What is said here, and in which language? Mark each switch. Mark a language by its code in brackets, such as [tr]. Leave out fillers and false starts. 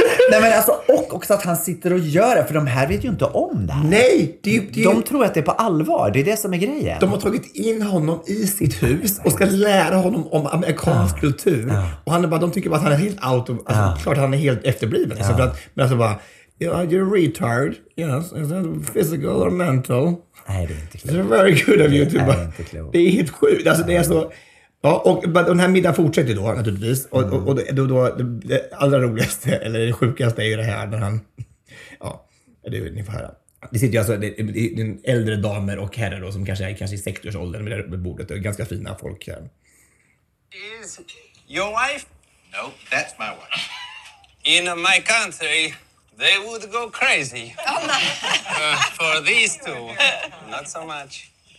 [sv] Nej, men alltså, och också att han sitter och gör det. För de här vet ju inte om det här. Nej, de tror att det är på allvar. Det är det som är grejen. De har tagit in honom i sitt hus och ska lära honom om amerikansk kultur. Och han är bara, de tycker bara att han är helt [en] out of, [sv] alltså, klart han är helt efterbliven. Alltså, men alltså bara, [en] you're a retard. Yes, is that physical or mental? [sv] Nej, det är inte klokt. [en] It's very good of you to [sv] bara, det är helt sjukt. Alltså, det är så... Ja, och den här middagen fortsätter då naturligtvis. Och då det allra roligaste eller det sjukaste är ju det här när han, ja, det ni får höra. Det sitter ju alltså det äldre damer och herrar då som kanske är kanske i 60 års ålder med bordet och ganska fina folk. [en] Is your wife? No, that's my wife. In my country they would go crazy. Oh my. For these two, not so much.